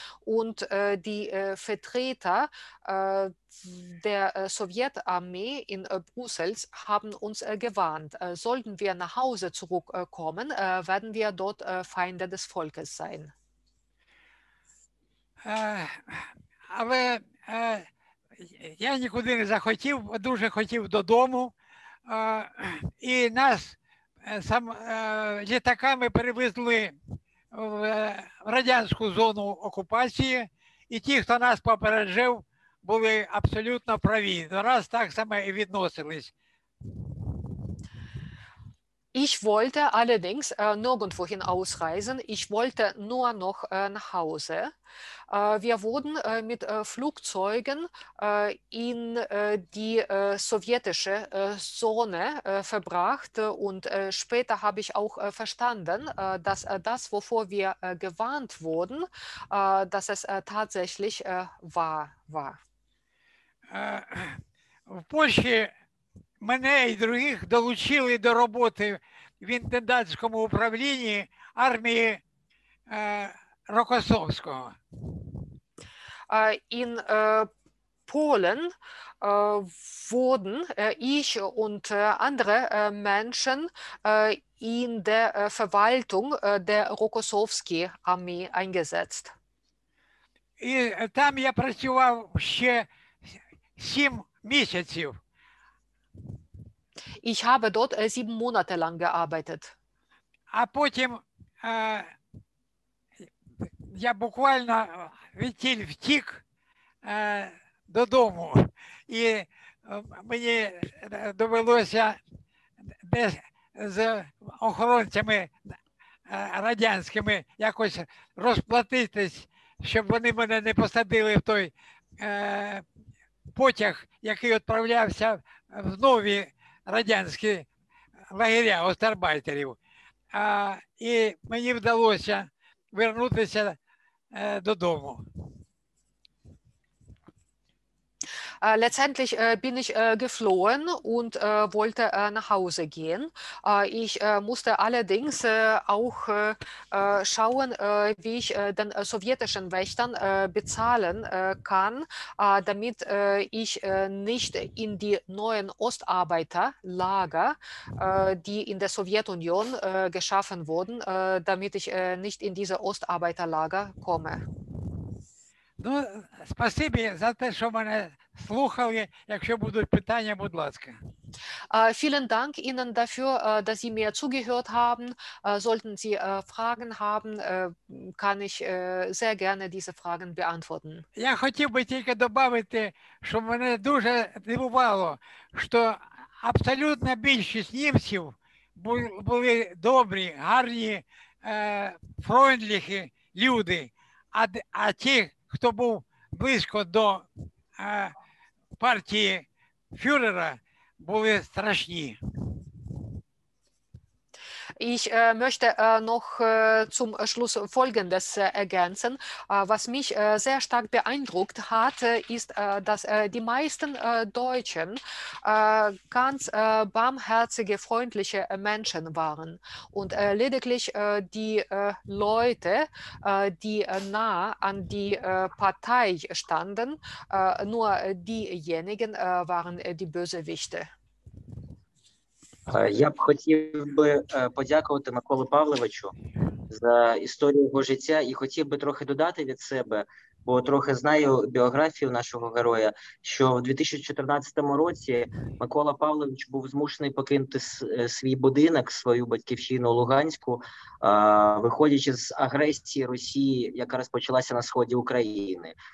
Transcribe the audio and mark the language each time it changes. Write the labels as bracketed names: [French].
[German] Und die Vertreter der Sowjetarmee in Brüssel haben uns gewarnt. Sollten wir nach Hause zurückkommen, werden wir dort Feinde des Volkes sein. [Ukrainian] Але я нікуди не захотів, дуже хотів додому, і нас сам літаками перевезли в радянську зону окупації, і ті, хто нас попереджив, були абсолютно праві. До нас так само і відносились. [German] Ich wollte allerdings nirgendwohin ausreisen. Ich wollte nur noch nach Hause. Wir wurden mit Flugzeugen in die sowjetische Zone verbracht. Und später habe ich auch verstanden, dass das, wovor wir gewarnt wurden, dass es tatsächlich wahr war. [Ukrainian] В Польщі мене і других долучили до роботи в інтендантському управлінні армії Рокоссовського. [German] In Polen wurden ich und andere Menschen in der Verwaltung der Rokossovskiej Armee eingesetzt. [Ukrainian] І там я працював ще 7 місяців. [German] Ich habe dort 7 Monate lang gearbeitet. [Ukrainian] А потім я буквально втік додому, і мені довелося з охоронцями радянськими якось розплатитись, щоб вони мене не посадили в той потяг, який відправлявся в нові радянські лагеря остарбайтерів. І мені вдалося вернутися додому. [German] Letztendlich bin ich geflohen und wollte nach Hause gehen. Ich musste allerdings auch schauen, wie ich den sowjetischen Wächtern bezahlen kann, damit ich nicht in die neuen Ostarbeiterlager, die in der Sowjetunion geschaffen wurden, damit ich nicht in diese Ostarbeiterlager komme. [Ukrainian] Ну, спасибі за те, що мене слухали. Якщо будуть питання, будь ласка. [German] Vielen Dank Ihnen dafür, dass Sie mir zugehört haben. Sollten Sie Fragen haben, kann ich sehr gerne diese Fragen beantworten. [Ukrainian] Я хотів би тільки додати, що мене дуже дивувало, що абсолютна більшість німців були добрі, гарні, фрейндліхі люди, а ті, хто був близько до партії фюрера, були страшні. [German] Ich möchte noch zum Schluss Folgendes ergänzen. Was mich sehr stark beeindruckt hat, ist, dass die meisten Deutschen ganz barmherzige, freundliche Menschen waren. Und lediglich die Leute, die nah an die Partei standen, nur diejenigen waren die Bösewichte. [Ukrainian] Я б хотів би подякувати Миколі Павловичу за історію його життя і хотів би трохи додати від себе, бо трохи знаю біографію нашого героя, що в 2014 році Микола Павлович був змушений покинути свій будинок, свою батьківщину Луганську, виходячи з агресії Росії, яка розпочалася на сході України.